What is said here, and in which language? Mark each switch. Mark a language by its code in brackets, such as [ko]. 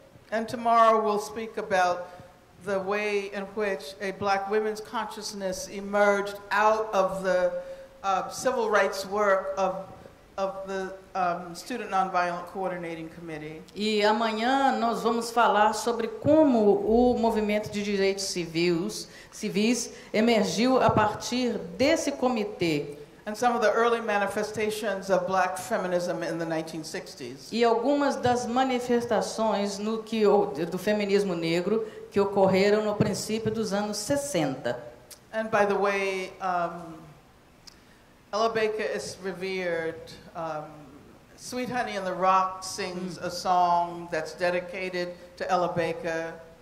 [en] And tomorrow we'll speak about the way in which a black women's consciousness emerged out of the civil rights work of the Student Nonviolent Coordinating Committee. [pt] E amanhã nós vamos falar sobre como o movimento de direitos civis emergiu a partir desse comitê. [en] And some of the early manifestations of black feminism in the 1960s. [pt] E algumas das manifestações do feminismo negro que ocorreram no princípio dos anos 60. [en] And by the way, Ella Baker is revered. Sweet Honey in the Rock sings a song that's dedicated to Ella Baker.